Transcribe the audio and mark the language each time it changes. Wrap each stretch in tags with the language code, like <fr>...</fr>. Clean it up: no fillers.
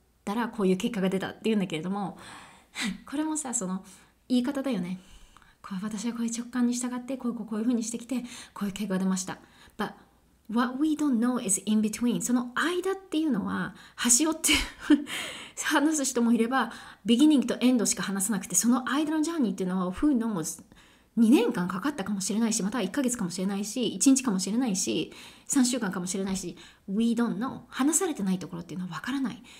<ja>ったらこういう結果が出たっていうんだけれどもこれもさ、その言い方だよね。こう、私はこういう直感に従ってこういうふうにしてきてこういう結果が出ました。</ja> <en>But what we don't know is in between。</en> <ja>その間っていうのは端折って話す人もいれば、ビギニングとエンドしか話さなくて、その間のジャーニーっていうのは</ja> <en>Who knows、</en> <ja>2年間かかったかもしれないし、または1ヶ月かもしれないし、1日かもしれないし、3週間かもしれないし、</ja> <en>We don't know、</en> <ja>話されてないところっていうのは分からない。</ja>